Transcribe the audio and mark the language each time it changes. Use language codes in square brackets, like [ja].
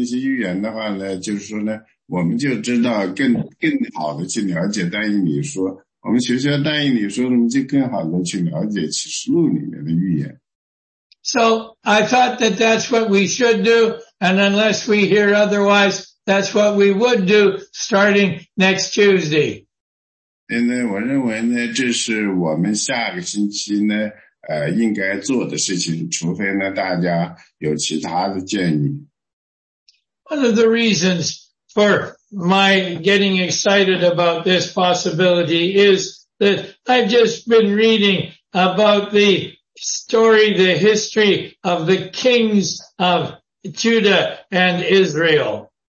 [zh] 因为如果我们开始学习那些预言的话呢，就是说呢， 我们就知道更好的去了解但以理书，我们学习但以理书，我们就更好的去了解启示录里面的预言。 [en] So I thought that that's what we should do, and unless we hear otherwise, that's what we would do starting next Tuesday. [zh] 因为我认为呢，这是我们下个星期呢应该做的事情，除非呢大家有其他的建议。 [en] One of the reasons for my getting excited about this possibility is that I've just been reading about the story, the history of the kings of Judah and Israel.